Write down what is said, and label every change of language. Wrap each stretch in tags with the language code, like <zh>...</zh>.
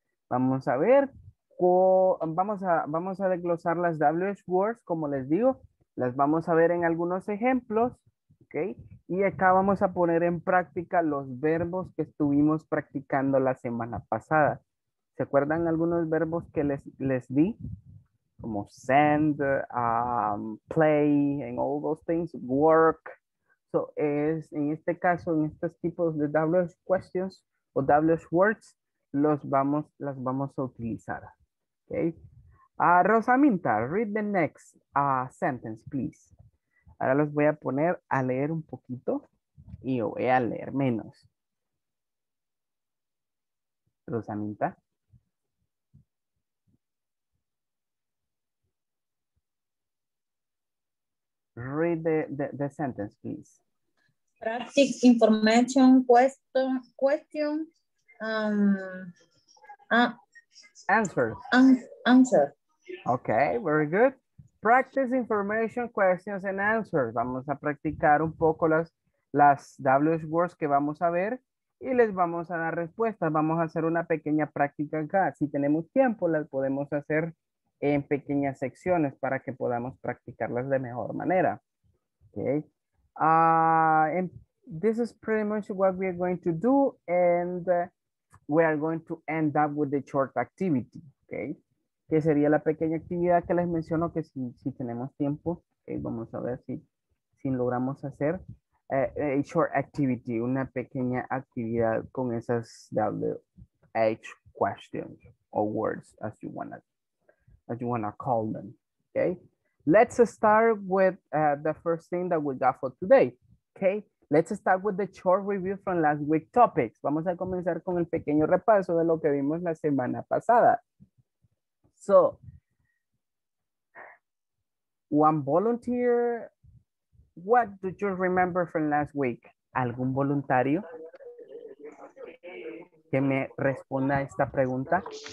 <es>Vamos a ver, vamos a desglosar las WH words, como les digo. Las vamos a ver en algunos ejemplos, okay? Y acá vamos a poner en práctica los verbos que estuvimos practicando la semana pasada. ¿Se acuerdan algunos verbos que les di?</es> <en>Como send, play, and all those things, work.</en> <es>So, es, en este caso, en estos tipos de WH questions o WH words, las vamos a utilizar. Okay.</es> <en>Rosaminta, read the next sentence, please.</en> <es>Ahora los voy a poner a leer un poquito y voy a leer menos. Rosaminta.</es> <en>Read the sentence, please. Practice information question. Answer. Okay, very good. Practice information questions and answers.</en> <es>Vamos a practicar un poco las WH words que vamos a ver y les vamos a dar respuestas. Vamos a hacer una pequeña práctica acá. Si tenemos tiempo, las podemos hacer en pequeñas secciones para que podamos practicarlas de mejor manera.</es> <en>Okay. And this is pretty much what we're going to do, and we are going to end up with the short activity.</en> <es>Okay. Que sería la pequeña actividad que les menciono que si tenemos tiempo, okay, vamos a ver si logramos hacer a short activity, una pequeña actividad con esas WH questions or words as you wanna call them, okay?</es> <en>Let's start with the first thing that we got for today, okay? Let's start with the short review from last week topics.</en> <es>Vamos a comenzar con el pequeño repaso de lo que vimos la semana pasada.</es> <en>So, one volunteer, what do you remember from last week?</en> <es>¿Algún voluntario que me responda a esta pregunta?</es>